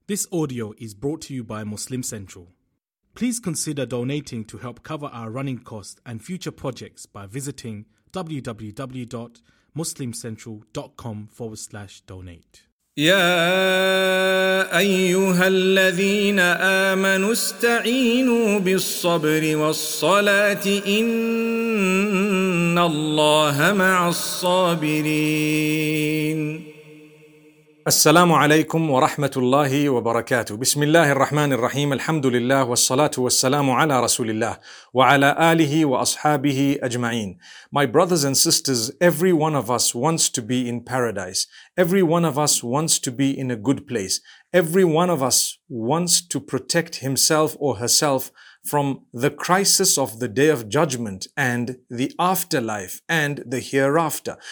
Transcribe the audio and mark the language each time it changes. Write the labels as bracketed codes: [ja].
[en] This audio is brought to you by Muslim Central. Please consider donating to help cover our running costs and future projects by visiting www.muslimcentral.com/donate. [ar] يا أيها الذين آمنوا استعينوا بالصبر والصلاة إن الله مع الصابرين. السلام عليكم ورحمة الله وبركاته. بسم الله الرحمن الرحيم. الحمد لله والصلاة والسلام على رسول الله وعلى آله وأصحابه أجمعين. [en] My brothers and sisters, every one of us wants to be in paradise. Every one of us wants to be in a good place. Every one of us wants to protect himself or herself from the crisis of the Day of Judgment and the afterlife and the hereafter.